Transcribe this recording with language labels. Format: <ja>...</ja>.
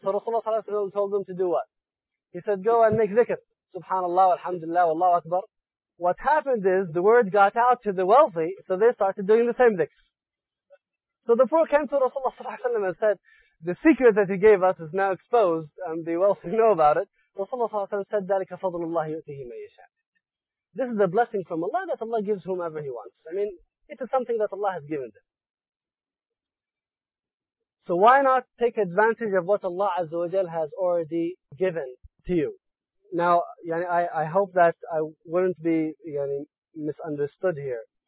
<en>So Rasulullah sallallahu alaihi wasallam told them to do what? He said, go and make zikr. Subhanallah, alhamdulillah, wallahu akbar. What happened is, the word got out to the wealthy, so they started doing the same zikr. So the poor came to Rasulullah sallallahu alaihi wasallam and said, the secret that he gave us is now exposed, and the wealthy know about it. Rasulullah sallallahu alaihi wasallam said,</en> <ar>ذَلِكَ فَضْلُ اللَّهِ يُؤْتِهِ مَنْ يَشَاءُ.</ar> <en>This is a blessing from Allah that Allah gives whomever He wants. I mean, it is something that Allah has given them. So why not take advantage of what Allah Azza wa Jal has already given to you? Now, yani, I hope that I wouldn't be yani, misunderstood here.</en>